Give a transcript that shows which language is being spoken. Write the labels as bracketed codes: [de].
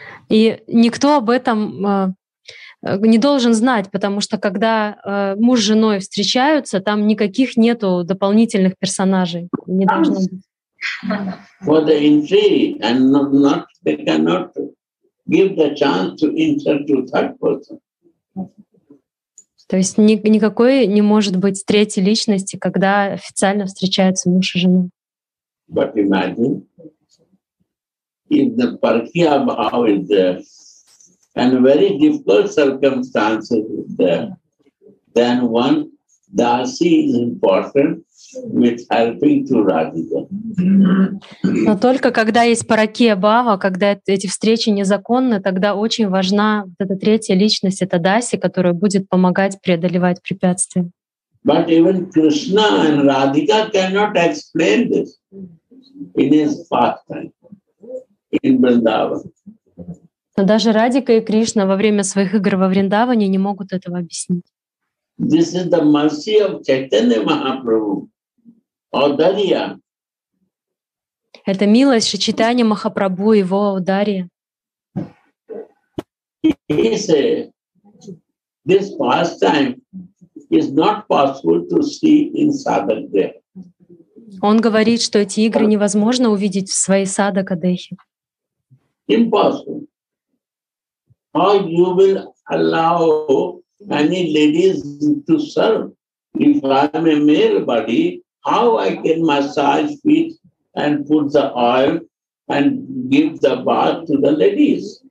[ru] И никто об этом не должен знать, потому что когда муж с женой встречаются, там никаких нету дополнительных персонажей. Не должно быть. [en] For the entry and not they cannot give the chance to enter to third person. [ru] То есть никакой не может быть третьей личности, когда официально встречаются муж и жена. [en] But imagine if the Parakeya Bhava is there and very difficult circumstances is there, then one dasi is important. [ru] Но только когда есть Паракия Бхава, когда эти встречи незаконны, тогда очень важна вот эта третья личность, это Даси, которая будет помогать преодолевать препятствия. [en] But even Krishna and Radhika cannot explain this in his pastime in Vrindavan. [ru] Но даже Радика и Кришна во время своих игр во Вриндаване не могут этого объяснить. [en] This is the mercy of Chaitanya Mahaprabhu. Аударья. [ru] Это милость Шичитани Махапрабху и его Аударья. [en] He said, this pastime is not possible to see in Sadakadehi. [ru] Он говорит, что эти игры невозможно увидеть в своей Садакадехе. [en] Impossible. How you will allow any ladies to serve if I am a male body? how I can massage feet and put the oil and give the bath to the ladies?